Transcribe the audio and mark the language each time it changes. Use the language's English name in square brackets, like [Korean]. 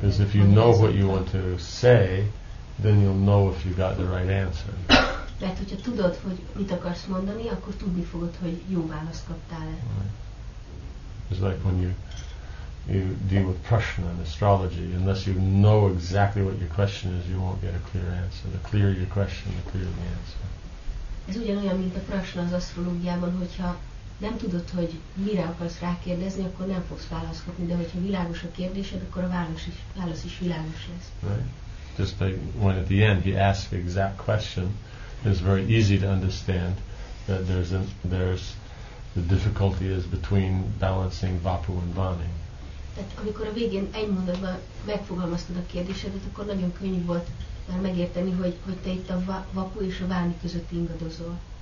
[English] Because if you know what you want to say, then you'll know if you got the right answer. [Hungarian] Tehát, hogyha tudod, hogy mit akarsz mondani, akkor tudni fogod, hogy jó választ kaptál-e. [English] Right. It's like when you deal with Prashna and astrology, unless you know exactly what your question is, you won't get a clear answer. The clearer your question, the clearer the answer. [Hungarian] Ez ugyanolyan, mint a Prashna az asztrológiában, hogyha nem tudod, hogy mire akarsz rákérdezni, akkor nem fogsz választ kapni, de hogyha világos a kérdésed, akkor a válasz is világos lesz. [English] Right. Just like when at the end he asks the exact question, it's very easy to understand that there's the difficulty is between balancing Vapu and Vani. [Hungarian] Tehát amikor a végén egy mondatban megfogalmaztad a kérdésedet, akkor nagyon könnyű volt már megérteni, hogy te itt a Vapu és a Vani között ingadozol.